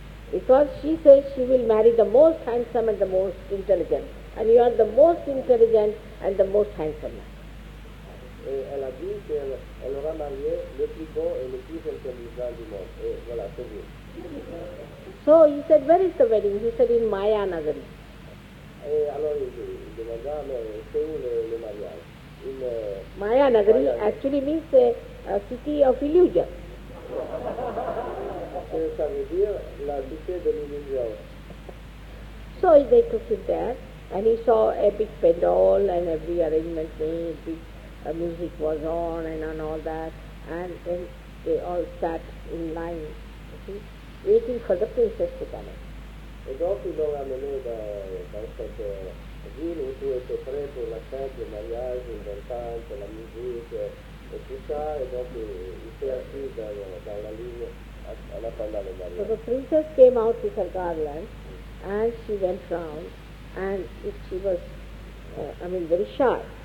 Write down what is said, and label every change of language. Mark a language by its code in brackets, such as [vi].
[en] Because she says she will marry the most handsome and the most intelligent. And you are the most intelligent and the most handsome man. [fr] Elle a dit qu'elle aura marié le plus beau et le plus intelligent du monde. Et voilà, c'est bien. [en] So he said, where is the wedding? He said, in Maya Nagari. [fr] Et alors il demanda, mais c'est où le mariage? [en] Maya Nagari actually means a city of illusion. [fr] Ça veut dire la cité de l'illusion. [en] So they took him there, and he saw a big pedal and every arrangement made, big music was on and all that, and then they all sat in line, you see, waiting for the princess to come in. [fr] Et donc ils l'ont amené dans cette ville où tout était prêt pour la fête, le mariage, le dance, la musique, et tout ça, et donc il s'est assis dans la ligne. [en] So the princess came out with her garland, and she went round, and she was, very shy.